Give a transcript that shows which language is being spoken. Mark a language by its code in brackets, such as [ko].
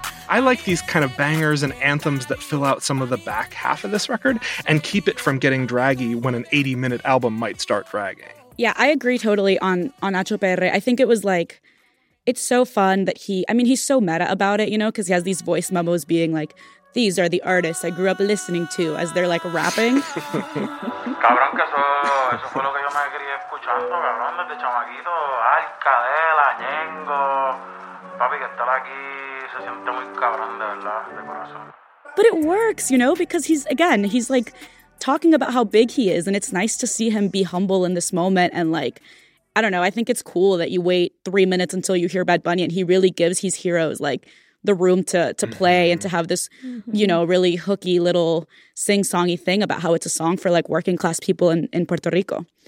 [en] I like these kind of bangers and anthems that fill out some of the back half of this record and keep it from getting draggy when an 80-minute album might start dragging. Yeah, I agree totally on Acho Peere. I think it was like, it's so fun that he's so meta about it, you know, because he has these voice memos being like, these are the artists I grew up listening to as they're like rapping. [es] Cabrón que eso fue lo que yo me quería escuchando, cabrón, desde chamaquito, Arcadela, Ñengo, papi que está aquí. se siente muy cabrón de verdad, de corazón. [en] But it works, you know, because he's, again, he's like talking about how big he is, and it's nice to see him be humble in this moment. And like, I don't know, I think it's cool that you wait 3 minutes until you hear Bad Bunny, and he really gives his heroes like the room to play and to have this, you know, really hooky little sing-songy thing about how it's a song for like working class people in Puerto Rico.